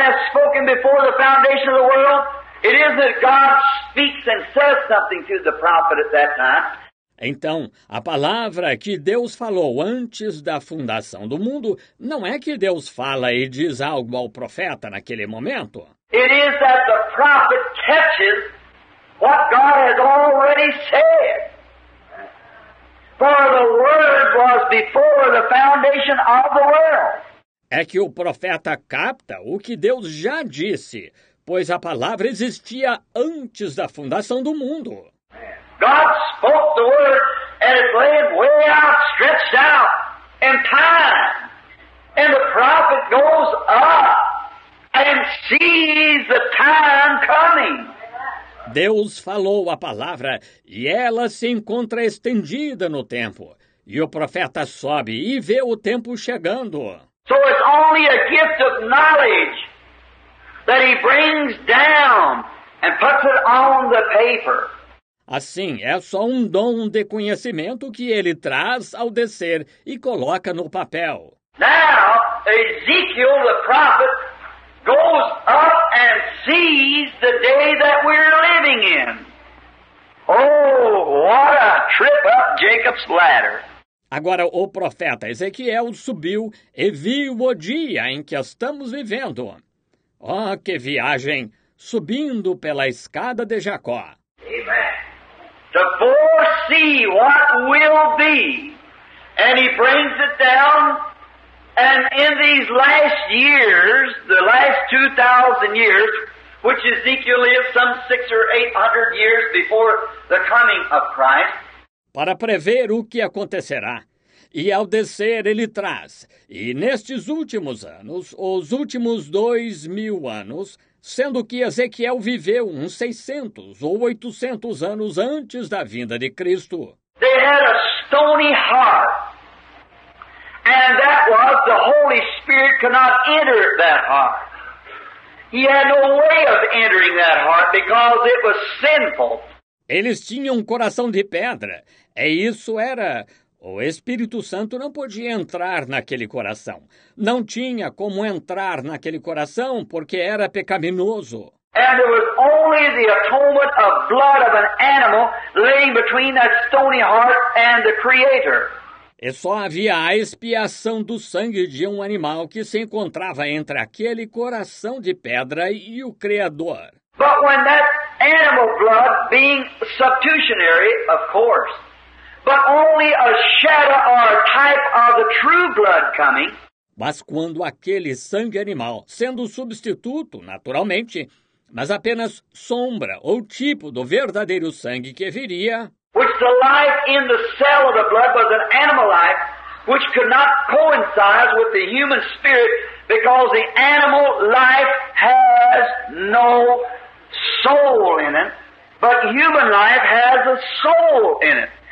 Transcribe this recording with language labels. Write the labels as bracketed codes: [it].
[en] spoken before the foundation of the world. It isn't that God speaks and says something to the prophet at that time. [pt] Então, a palavra que Deus falou antes da fundação do mundo não é que Deus fala e diz algo ao profeta naquele momento. [en] It is that the prophet catches what God has already said. For the word was before the foundation of the world. [pt] É que o profeta capta o que Deus já disse, pois a palavra existia antes da fundação do mundo. [en] God spoke the word and it lay way out, stretched out in time. And the prophet goes up and sees the time coming. [pt] Deus falou a palavra e ela se encontra estendida no tempo. E o profeta sobe e vê o tempo chegando. [en] So it's only a gift of knowledge that he brings down and puts it on the paper. [pt] Assim, é só um dom de conhecimento que ele traz ao descer e coloca no papel. [en] Now, Ezekiel, the prophet, goes up and sees the day that we're living in. Oh, what a trip up Jacob's ladder. [pt] Agora, o profeta Ezequiel subiu e viu o dia em que estamos vivendo. Oh, que viagem, subindo pela escada de Jacó. [en] Amen. To foresee what will be. And he brings it down. And in these last years, the last 2,000 years, which Ezekiel lived some 600 or 800 years before the coming of Christ. [pt] Para prever o que acontecerá. E ao descer ele traz. E nestes últimos anos, os últimos 2,000 anos, sendo que Ezequiel viveu uns 600 ou 800 anos antes da vinda de Cristo. [en] They had a stony heart. And that was the Holy Spirit could not enter that heart. He had no way of entering that heart because it was sinful. [pt] Eles tinham um coração de pedra. E isso era. O Espírito Santo não podia entrar naquele coração. Não tinha como entrar naquele coração porque era pecaminoso. [en] And there was only the atonement of blood of an animal laying between that stony heart and the Creator. [pt] E só havia a expiação do sangue de um animal que se encontrava entre aquele coração de pedra e o Criador. [en] But when that animal blood being substitutionary, of course, but only a shadow or a type of the true blood coming. [pt] Mas quando aquele sangue animal, sendo substituto, naturalmente, mas apenas sombra ou tipo do verdadeiro sangue que viria. [en] Which the life in the cell of the blood was an animal life, which could not coincide with the human spirit, because the animal life has no soul in it, but human life has a soul in it.